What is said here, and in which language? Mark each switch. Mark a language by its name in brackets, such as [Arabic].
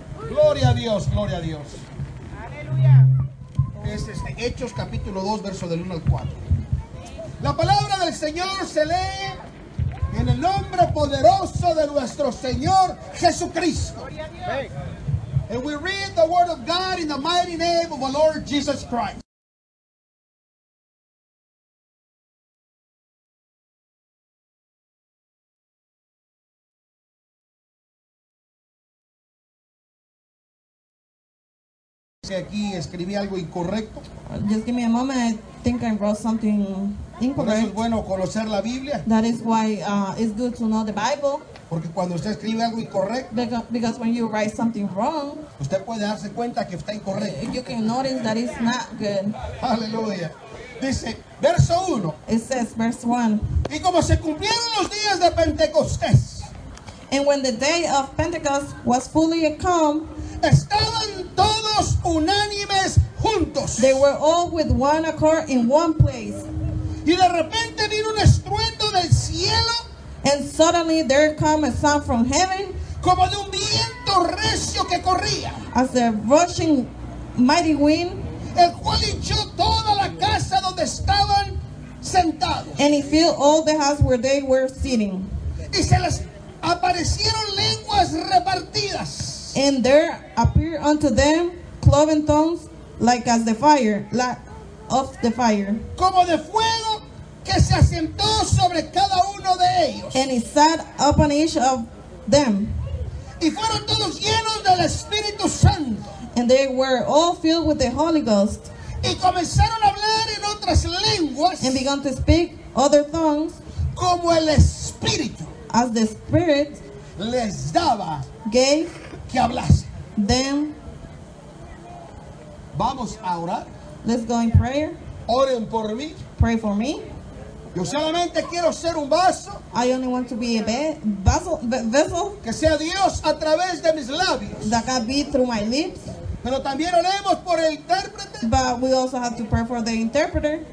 [Spanish] Gloria a Dios, gloria a Dios. Aleluya. Hechos capítulo 2, verso del 1 al 4. La palabra del Señor se lee en el nombre poderoso de nuestro Señor Jesucristo. [English] And we read the word of God in the mighty name of the Lord Jesus Christ. [Spanish] Aquí escribí algo incorrecto. [English] Just give me a moment. I think I wrote something incorrect. [Spanish] Por eso es bueno conocer la Biblia. [English] That is why it's good to know the Bible. [Spanish] Porque cuando usted escribe algo incorrecto, [English] because when you write something wrong, [Spanish] usted puede darse cuenta que está incorrecto. [English] You can notice that it's not good. [Spanish] Aleluya. Dice verso 1. [English] It says verse 1. [Spanish] Y como se cumplieron los días de Pentecostés. [English] And when the day of Pentecost was fully come, [Spanish] estaban todos unánimes juntos. [English] They were all with one accord in one place. [Spanish] Y de repente vino un estruendo del cielo. [English] And suddenly there came a sound from heaven. [Spanish] Como de un viento recio que corría. [English] As a rushing mighty wind. [Spanish] El cual hinchó toda la casa donde estaban sentados. [English] And it filled all the house where they were sitting. [Spanish] Y se les aparecieron lenguas repartidas. [English] And there appeared unto them cloven tongues like as the fire, like of the fire. [Spanish] Como de fuego que se asentó sobre cada uno de ellos. [English] And it sat upon each of them. [Spanish] Y fueron todos llenos del Espíritu Santo. [English] And they were all filled with the Holy Ghost. [Spanish] Y comenzaron a hablar en otras lenguas. [English] And began to speak other tongues. [Spanish] Como el Espíritu. [English] As the Spirit [Spanish] les daba. [English] Gave. [Spanish] Que hablase. [English] Then, [Spanish] vamos a orar. [English] Let's go in prayer. [Spanish] Oren por mí. [English] Pray for me. [Spanish] Yo solamente quiero ser un vaso. [English] I only want to be a vessel. [Spanish] Que sea Dios a través de mis labios. [English] That God be through my lips. [Spanish] Pero también oremos por el intérprete. [English] But we also have to pray for the interpreter.